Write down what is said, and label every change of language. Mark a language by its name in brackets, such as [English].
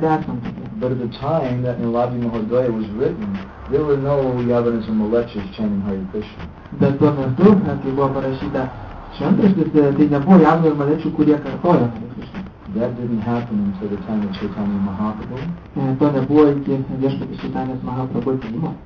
[English] But at the time that Niladri Mahodaya was written, there were no yavanas and malechas chanting Hare Krishna. [Lithuanian] Bet tuo metu, kai buvo parašyta šventraštis, tai nebuvo jaunų ir malečių, kurie kartojo. [English] That didn't happen until the time of Chaitanya Mahaprabhu. [Lithuanian] To nebuvo iki viešpatie Chaitanya Mahaprabhu atėjimo.